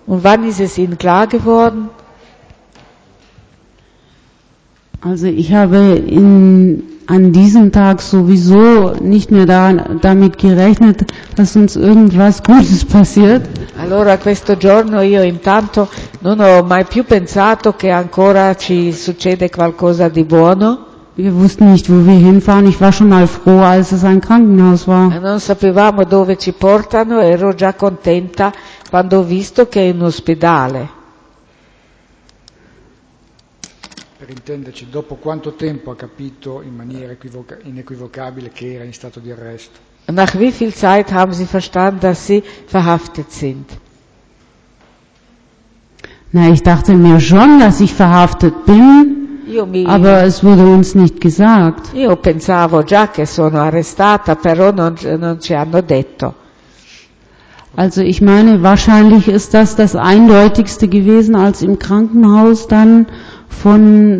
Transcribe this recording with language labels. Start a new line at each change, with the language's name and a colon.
German: Und wann ist es Ihnen klar geworden? Also ich habe an diesem Tag sowieso nicht mehr damit gerechnet, dass uns irgendwas Gutes passiert.
Italian: Allora questo giorno io intanto non ho mai più pensato che ancora ci succede qualcosa di buono.
German: Wir wussten nicht, wo wir hinfahren. Ich war schon mal froh, als es ein Krankenhaus war.
Italian: Non sapevamo dove ci portano. Ero già contenta quando ho visto che è un ospedale. Per intenderci, dopo quanto tempo ha capito in maniera inequivocabile che era in stato di arresto?
German: Nach wie viel Zeit haben Sie verstanden, dass Sie verhaftet sind? Na, ich dachte mir schon, dass ich verhaftet bin. Aber es wurde uns nicht gesagt.
Italian: Io pensavo già che sono arrestata, però non ci hanno detto.
German: Also ich meine, wahrscheinlich ist das eindeutigste gewesen, als im Krankenhaus dann von